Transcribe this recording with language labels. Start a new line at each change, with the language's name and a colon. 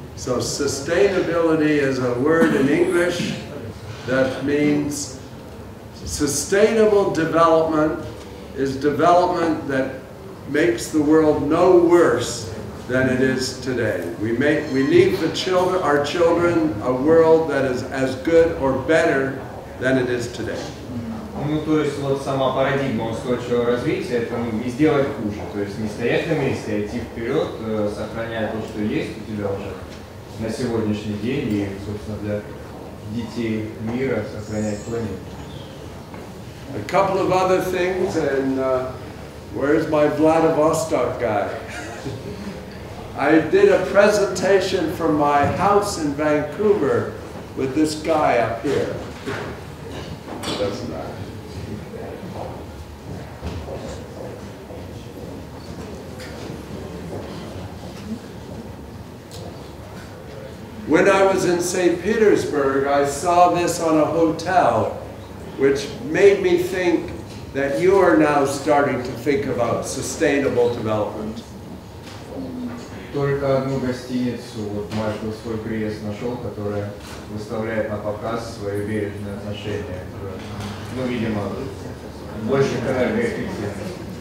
English: So sustainability is a word in English that means sustainable development is development that makes the world no worse than it is today. We leave the children, our children, a world that is as good or better than it is today.
Russian: Ну, то есть вот сама парадигма устойчивого развития, это не сделать хуже, то есть не стоять на месте, а идти вперед, сохраняя то, что есть у тебя уже на сегодняшний день, и, собственно, для детей мира сохранять планету.
English: A couple of other things, and where's my Vladivostok guy? I did a presentation from my house in Vancouver with this guy up here. That's not. When I was in St. Petersburg, I saw this on a hotel, which made me think that you are now starting to think about sustainable development.
Russian: Только одну гостиницу вот Майкл свой приезд нашел, которая выставляет на показ свои бережные отношения. Ну, видимо, больше к энергоэффективности.